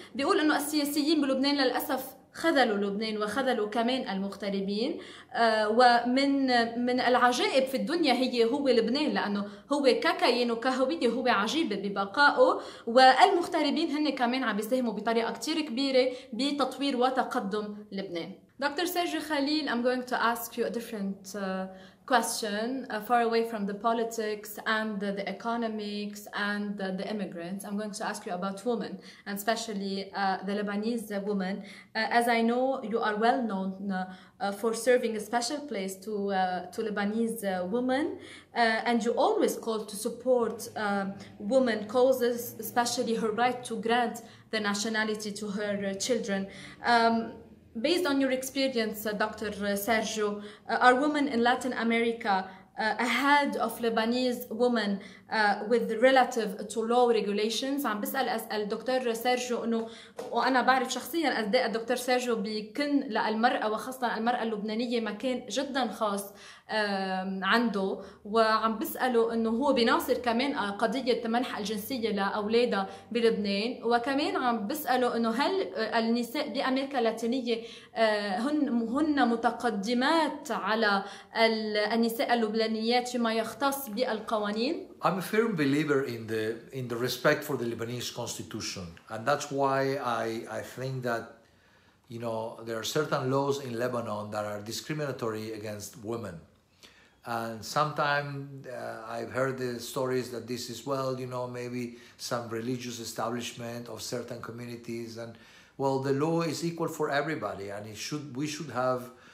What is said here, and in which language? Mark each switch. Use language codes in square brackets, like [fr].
[ar] بيقول انه السياسيين بلبنان للأسف خذلوا لبنان وخذلوا كمان المغتربين، ومن العجائب في الدنيا هو لبنان، لأنه هو ككيان وكهوية هو عجيب ببقائه، والمغتربين هن كمان عم بيساهموا بطريقة كتير كبيرة بتطوير وتقدم لبنان. [en] Doctor Sergio Khalil, I'm going to ask you a different question, far away from the politics and the economics and the immigrants. I'm going to ask you about women, and especially the Lebanese woman. As I know, you are well known for serving a special place to Lebanese women, and you always call to support women causes, especially her right to grant the nationality to her children. Based on your experience, Dr. Sergio, are women in Latin America ahead of Lebanese women with relative to law regulations? [ar] عم بسأل الدكتور سيرجيو إنه، وأنا بعرف شخصياً أداء الدكتور سيرجيو بيكن للمرأة وخاصة المرأة اللبنانية مكان جداً خاص عنده، وعم بسأله إنه هو بيناصر كمان قضية منح الجنسية لأولادها بلبنان، وكمان عم بسأله إنه هل النساء بأمريكا اللاتينية هن متقدمات على النساء اللبنانيات فيما يختص بالقوانين؟ [en] I'm a firm believer in the respect for the Lebanese constitution, and that's why I think that, you know, there are certain laws in Lebanon that are discriminatory against women. And sometimes I've heard the stories that this is, well, you know, maybe some religious establishment of certain communities, and well, the law is equal for everybody, and we should have